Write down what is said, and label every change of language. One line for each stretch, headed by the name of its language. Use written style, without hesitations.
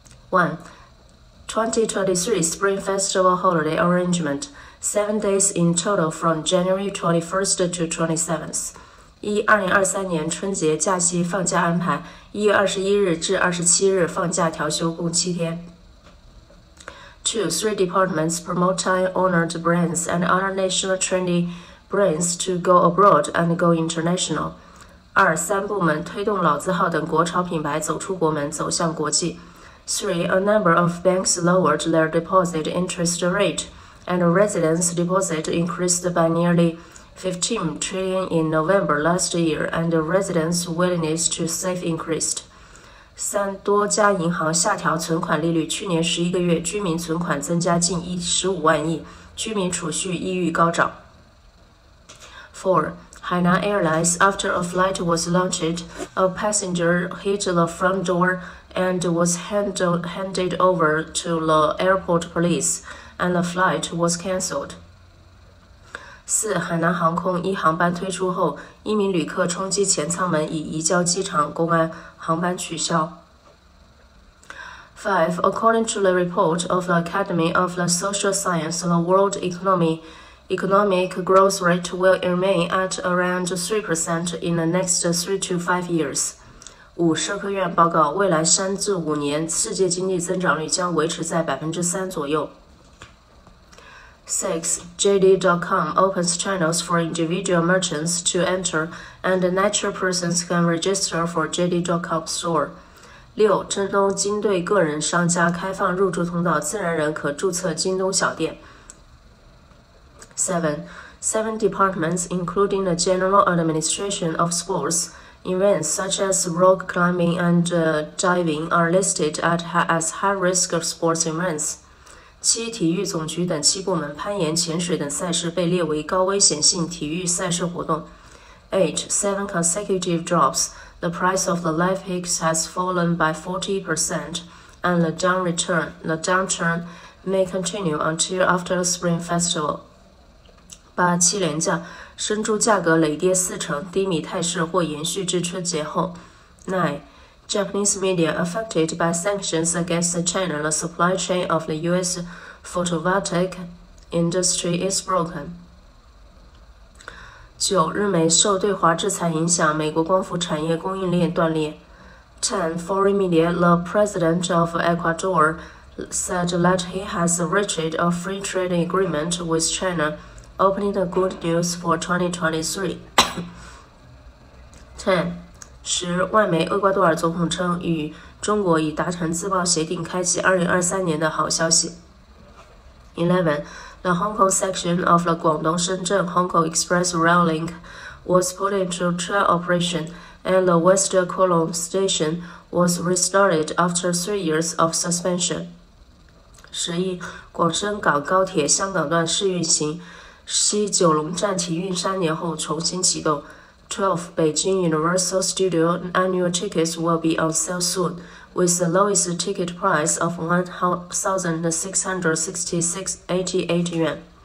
English: One, 2023 Spring Festival Holiday Arrangement, 7 days in total from January 21st to 27th.
Chinese: 一，2023年春节假期放假安排，1月21日至27日放假调休，共7天。
English: Two, three departments promote time-honored brands and other national trendy brands to go abroad and go international.
Chinese: 二, 三部门推动老字号等国潮品牌走出国门，走向国际。
English: Three, a number of banks lowered their deposit interest rate, and residents' deposit increased by nearly 15 trillion in November last year, and residents' willingness to save increased.
Chinese: 三多家银行下调存款利率，去年11个月居民存款增加近15万亿，居民储蓄意欲高涨。
English: Four, Hainan Airlines, after a flight was launched, a passenger hit the front door and was handed over to the airport police, and the flight was cancelled.
Chinese: 四海南航空一航班推出后，一名旅客冲击前舱门以移交机场，公安。航班取消。
English: Five, according to the report of the Academy of the Social Science, the world economic growth rate will remain at around 3% in the next 3 to 5 years.
Chinese: 五，社科院报告，未来3至5年，世界经济增长率将维持在3%左右。
English: Six, JD.com opens channels for individual merchants to enter, and natural persons can register for JD.com store.
Chinese: 六，京东经对个人商家开放入驻通道，自然人可注册京东小店。
English: Seven departments, including the general administration of sports events such as rock climbing and diving, are listed as high risk of sports events.
Chinese: 七体育总局等七部门，攀岩、潜水等赛事被列为高危险性体育赛事活动。
English: Eight, seven consecutive drops. The price of the life hikes has fallen by 40%, and the downturn may continue until after the Spring Festival.
Chinese: 八七连降，生猪价格累跌40%，低迷态势或延续至春节后。
English: Nine. Japanese media affected by sanctions against China, the supply chain of the U.S. photovoltaic industry is broken.
Chinese: 九，日美受对华制裁影响，美国光伏产业供应链断裂。
English: Ten, foreign media, the president of Ecuador said that he has reached a free trade agreement with China, opening the good news for 2023. Ten.
Chinese: 十，外媒厄瓜多尔总统称与中国已达成自贸协定，开启2023年的好消息。
English: 11, the Hong Kong section of the Guangdong Shenzhen Hong Kong Express Rail Link was put into trial operation, and the West Kowloon station was restarted after 3 years of suspension.
Chinese: 11, 广深港高铁香港段试运行，西九龙站停运3年后重新启动。
English: 12, Beijing Universal Studio annual tickets will be on sale soon, with the lowest ticket price of 1,666.88 yuan.